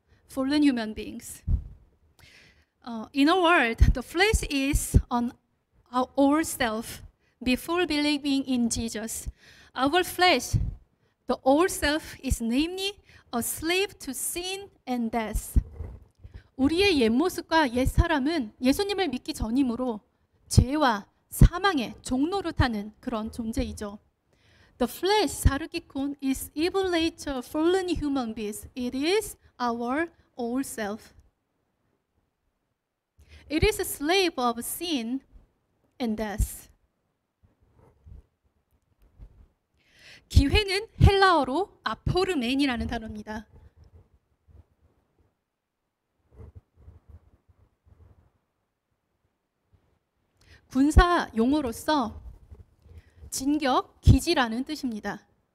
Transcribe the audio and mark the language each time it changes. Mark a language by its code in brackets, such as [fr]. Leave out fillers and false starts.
[en] 폴른 휴먼 빙스. In a word, the flesh is on our old self before believing in Jesus. Our flesh, the old self, is namely a slave to sin and death. [ko] 우리의 옛모습과 옛사람은 예수님을 믿기 전이므로 죄와 사망의 종노릇하는 그런 존재이죠. [en] The flesh, 사르기콘, is evil nature fallen human beings. It is our old self. It is a slave of sin and death. [ko] 기회는 헬라어로 아포르멘이라는 단어입니다. 군사 용어로서 진격, 기지라는 뜻입니다.